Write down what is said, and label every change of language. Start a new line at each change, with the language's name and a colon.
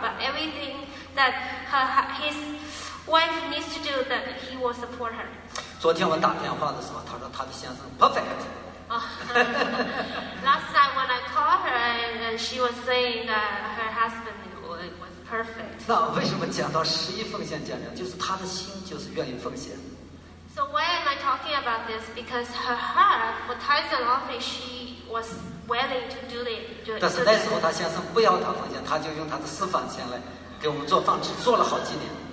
English: But everything that his wife needs to do, that he will support her.
Chinese: 昨天我打电话的时候，他说他的先生 perfect。
English: Last night when I called her, and she was saying that her husband was perfect.
Chinese: 那为什么讲到十一奉献讲呢？就是他的心就是愿意奉献。
English: So why am I talking about this? Because her heart for tithes and offering, she was willing to do it.
Chinese: 但是那时候他先生不要他奉献，他就用他的私房钱来给我们做饭吃，做了好几年。